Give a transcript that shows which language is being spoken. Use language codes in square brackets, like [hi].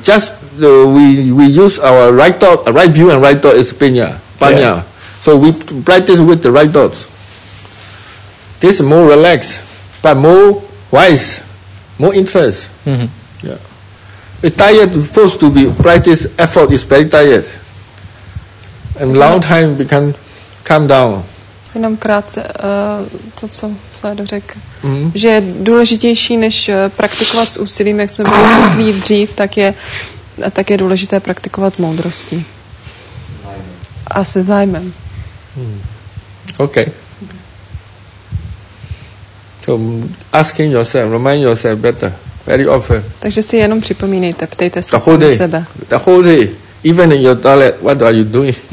[en] Just we use our right thought, right view and right thought is panya. Yeah. So we practice with the right thoughts. This is more relaxed, but more wise, more interest. Yeah. It's tired, forced to be practice effort is very tired. And long time we can calm down. [cs] Jenom krátce to, co Saedo řekl, že je důležitější, než praktikovat s úsilím, jak jsme byli zvyklí dřív, tak je důležité praktikovat s moudrostí. A se zájmem. [en] OK. So asking yourself, remind yourself better, very often. [cs] Takže si jenom připomínejte, ptejte se sami sebe. [en] The whole day, even in your toilet, what are you doing?